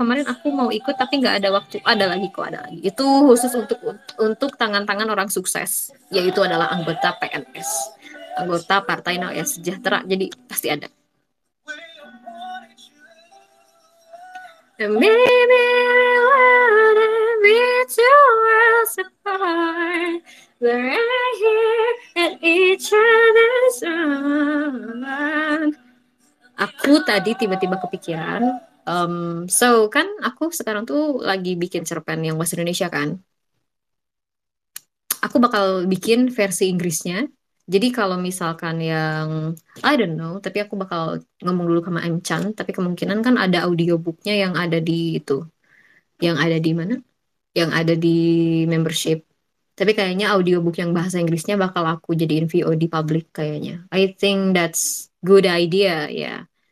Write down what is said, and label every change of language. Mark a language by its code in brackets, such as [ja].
[id] Kemarin aku mau ikut tapi nggak ada waktu. Ada lagi kok, ada lagi. Itu khusus untuk tangan-tangan orang sukses, yaitu adalah anggota PNS, anggota Partai Nasional Sejahtera. Jadi pasti ada. [en] Maybe we wouldn't be two worlds apart. We're right here at each other's arms. [id] Aku tadi tiba-tiba kepikiran, so kan aku sekarang tuh lagi bikin cerpen yang bahasa Indonesia kan. Aku bakal bikin versi Inggrisnya. Jadi kalau misalkan yang [en] I don't know, [id] tapi aku bakal ngomong dulu sama M Chan. Tapi kemungkinan kan ada audiobooknya yang ada di itu, yang ada di mana? Yang ada di membership. Tapi kayaknya audiobook yang bahasa Inggrisnya bakal aku jadiin VOD public kayaknya. [en] I think that's good idea, ya.